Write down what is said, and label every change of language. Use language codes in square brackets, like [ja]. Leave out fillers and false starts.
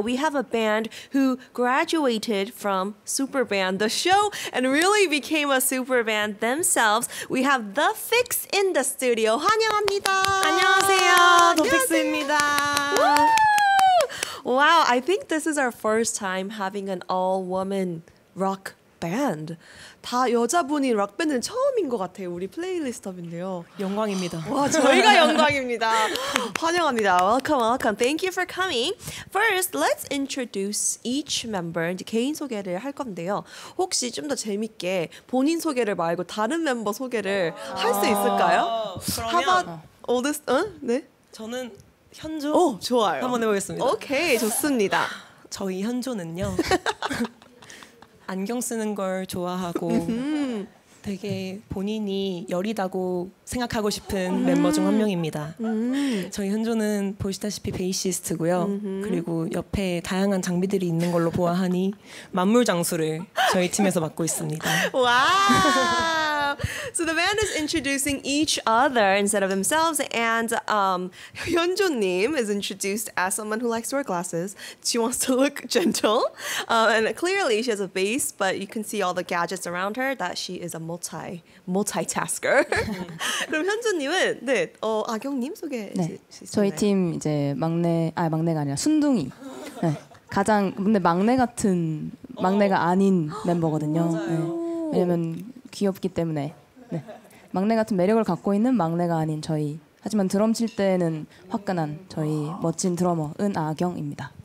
[en] We have a band who graduated from Super Band, the show, and really became a super band themselves. We have The Fix in the studio. [ko] 환영합니다. 안녕하세요. The Fix입니다. [en] Wow, I think this is our first time having an all-woman rock band. [ko] 다 여자분이 록 밴드는 처음인 것 같아요. 우리 플레이리스트업인데요. 영광입니다. 와, 저희가 영광입니다. 환영합니다. [en] Welcome, welcome. Thank you for coming. First, let's introduce each member. [ko] 이제 개인 소개를 할 건데요. 혹시 좀 더 재밌게 본인 소개를 말고 다른 멤버 소개를 할 수 있을까요? 그러면 어디서? 응, 네. 저는 현조. 오, 좋아요. 한번 해보겠습니다. 오케이, 좋습니다. 저희 현조는요. 안경 쓰는 걸 좋아하고 되게 본인이 여리다고 생각하고 싶은 멤버 중 한 명입니다. 저희 현조는 보시다시피 베이시스트고요. 그리고 옆에 다양한 장비들이 있는 걸로 보아하니 만물장수를 저희 팀에서 맡고 있습니다. 와! [en] So the band is introducing each other instead of themselves, and Hyunjoo-nim is introduced as someone who likes to wear glasses. She wants to look gentle, and clearly she has a face, but you can see all the gadgets around her that she is a multitasker. [ko] 그럼 현조님은 네, 악영님 소개. 네, 저희 팀 이제 막내가 아니라 순둥이. 네, 가장 근데 막내 같은 막내가 아닌 멤버거든요. 맞아요. 네. 왜냐면 귀엽기 때문에 네. 막내 같은 매력을 갖고 있는 막내가 아닌 저희 하지만 드럼 칠 때는 화끈한 저희 멋진 드러머 은아경입니다.